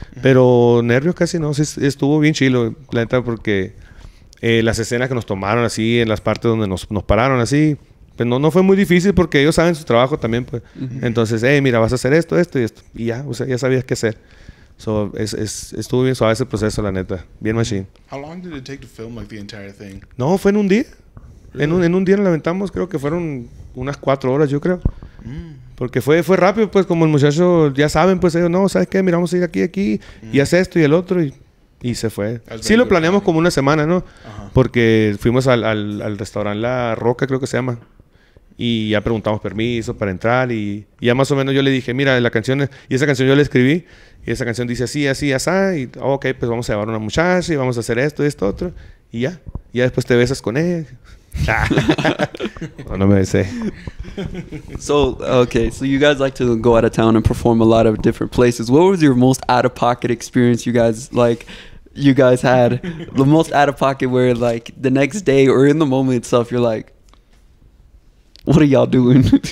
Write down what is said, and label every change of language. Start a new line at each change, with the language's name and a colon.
Spanish: Pero nervios casi no, sí, estuvo bien chilo, la neta, porque las escenas que nos tomaron así, en las partes donde nos pararon así, pues no, no fue muy difícil porque ellos saben su trabajo también, pues. Uh-huh. Entonces, hey, mira, vas a hacer esto, esto y esto. Y ya, o sea, ya sabías qué hacer. So, estuvo bien suave ese proceso, la neta. Bien machine.
English: How long did it take to film, like, the entire thing?
Spanish: No, fue en un día.
English: Really?
Spanish: En un día nos levantamos, creo que fueron unas 4 horas, yo creo. Mm. Porque fue rápido, pues, como el muchacho, ya saben, pues, ellos, no, ¿sabes qué? Mira, vamos a ir aquí, aquí, y hace esto y el otro, y se fue.
English: That's
Spanish: sí lo planeamos
English: planning.
Spanish: Como una semana, ¿no? Uh-huh. Porque fuimos al restaurante La Roca, creo que se llama. Y ya preguntamos permiso para entrar y ya más o menos yo le dije, mira, la canción, y esa canción yo la escribí, y esa canción dice así, así, así, y ok, pues vamos a llevar a una muchacha y vamos a hacer esto, esto, otro, y ya. Y ya después te besas con ella. No, no me besé.
English: So, okay, so you guys like to go out of town and perform a lot of different places. What was your most out-of-pocket experience you guys, like, you guys had? The most out-of-pocket where, like, the next day or in the moment itself, you're like, what are y'all doing?